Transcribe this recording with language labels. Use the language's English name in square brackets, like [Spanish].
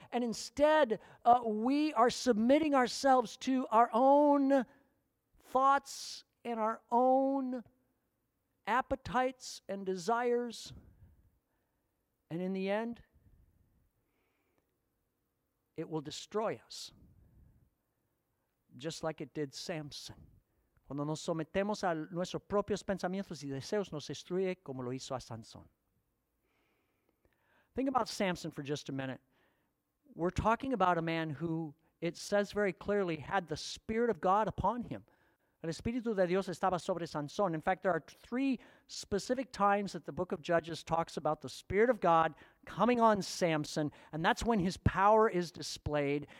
[English] And instead, we are submitting ourselves to our own thoughts and our own appetites and desires. And in the end, it will destroy us, just like it did Samson. [Spanish] Cuando nos sometemos a nuestros propios pensamientos y deseos, nos destruye como lo hizo a Sansón. [English] Think about Samson for just a minute. We're talking about a man who, it says very clearly, had the Spirit of God upon him. [Spanish] El Espíritu de Dios estaba sobre Sansón. [English] In fact, there are three specific times that the book of Judges talks about the Spirit of God coming on Samson, and that's when his power is displayed.